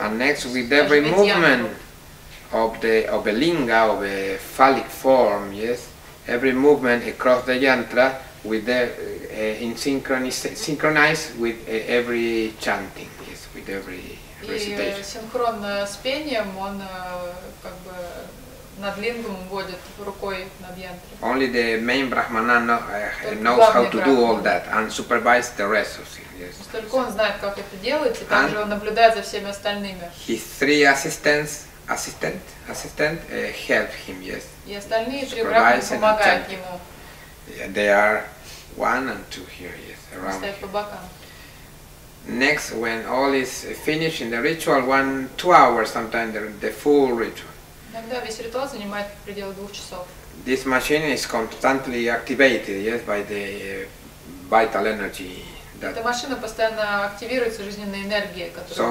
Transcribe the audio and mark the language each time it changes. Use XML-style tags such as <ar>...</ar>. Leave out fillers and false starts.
<en>And next, with every movement of the linga, of the phallic form, yes, every movement across the yantra with the in synchronized with every chanting, yes, with every recitation.</en> <ru>И синхронно с пением он как бы над лингом вводит рукой над янтрой.</ru> <en>Only the main brahmana knows how to do all that and supervise the rest of it. Yes.</en> <ru>Только он знает, как это делать, и также он наблюдает за всеми остальными.</ru> <en>His three assistant help him, yes.</en> <ru>И остальные три брахманы помогают ему.</ru> <en>Yeah, they are one and two here, yes, around. Next, when all is finished in the ritual, 1-2 hours sometimes the full ritual.</en> <ru>Иногда весь ритуал занимает в пределах 2 часов.</ru> <en>This machine is constantly activated, yes, by the vital energy.</en> <ru>Эта машина постоянно активируется жизненной энергией, которая.</ru>